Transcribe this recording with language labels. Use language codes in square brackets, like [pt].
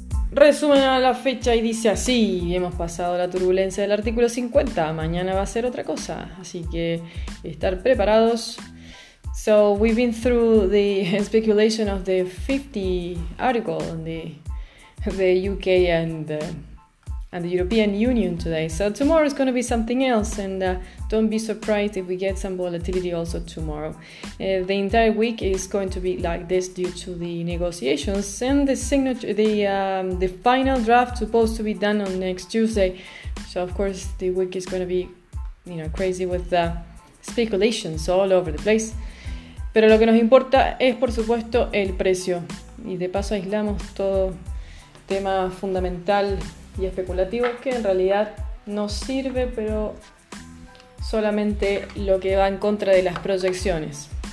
[es] resumen a la fecha y dice así: hemos pasado la turbulencia del artículo 50, mañana va a ser otra cosa, así que estar preparados. [en] So we've been through the speculation of the 50 article on the UK and the European Union today. So tomorrow is going to be something else, and don't be surprised if we get some volatility also tomorrow. The entire week is going to be like this due to the negotiations and the signature, the final draft supposed to be done on next Tuesday. So of course the week is going to be, you know, crazy with speculations all over the place. [es] Pero lo que nos importa es, por supuesto, el precio. Y de paso aislamos todo tema fundamental y especulativo que en realidad nos sirve, pero solamente lo que va en contra de las proyecciones.